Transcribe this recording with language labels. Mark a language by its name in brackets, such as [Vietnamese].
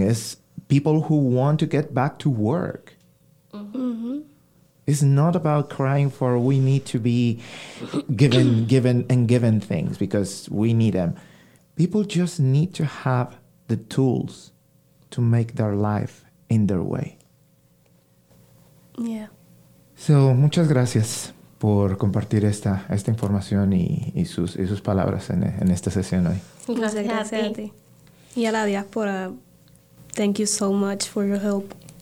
[English] It's people who want to get back to work. It's not about crying for we need to be given things because we need them. People just need to have the tools to make their life in their way. Yeah. [Spanish] So, muchas gracias por compartir esta información y sus palabras en esta sesión hoy. Gracias a ti. Y a la diáspora, [English] thank you so much for your help.